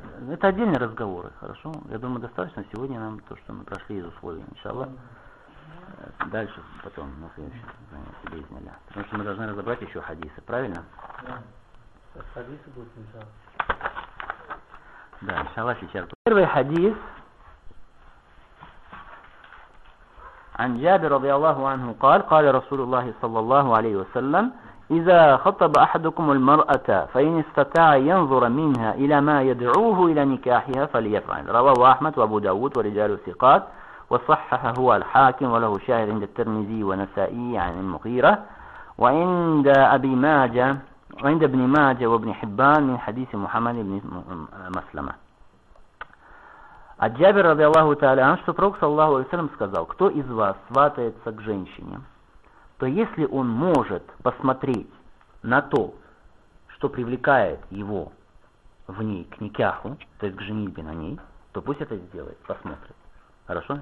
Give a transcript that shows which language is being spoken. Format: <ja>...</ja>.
<ru>Это отдельные разговоры, хорошо? Я думаю, достаточно сегодня нам то, что мы прошли из условий, иншаллах. Дальше, потом, на следующий занятие, без нуля. Потому что мы должны разобрать еще хадисы, правильно? Хадисы будут, иншаллах. Да, иншаллах, сейчас. Первый хадис.</ru> <ar>عن جابر رضي الله عنه قال قال رسول الله صلى الله عليه وسلم إذا خطب أحدكم المرأة فإن استطاع ينظر منها إلى ما يدعوه إلى نكاحها فليفعل. رواه أحمد وأبو داود ورجال الثقات وصححه هو الحاكم وله شاهد عند الترمذي ونسائي عن المغيرة وعند أبي ماجة عند ابن ماجه وابن حبان من حديث محمد بن مسلمة.</ar> <ru>А Джабир, ради Аллаху Та'аля, наш супруг, саллаху алейхи ва саллям, сказал, кто из вас сватается к женщине, то если он может посмотреть на то, что привлекает его в ней к никяху, то есть к женитьбе на ней, то пусть это сделает, посмотрит. Хорошо?</ru>